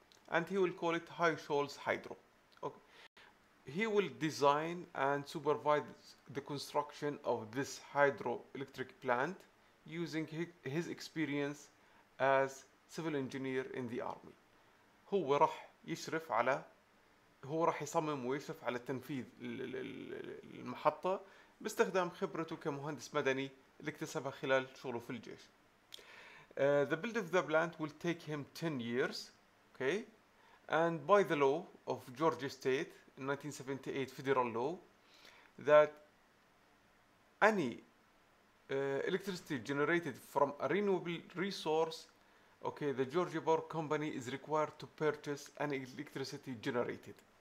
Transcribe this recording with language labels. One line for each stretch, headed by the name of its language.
English: And he will call it High Shoals Hydro. He will design and supervise the construction of this hydroelectric plant using his experience as civil engineer in the army. هو راح يشرف على
Arabic: هو راح يصمم ويشرف على تنفيذ المحطة باستخدام خبرته كمهندس مدني اللي اكتسبها خلال شغله في الجيش.
English: The build of the plant will take him 10 years, okay? And by the law of Georgia State, 1978 federal law, that any electricity generated from a renewable resource, okay, the Georgia Power Company is required to purchase any electricity generated.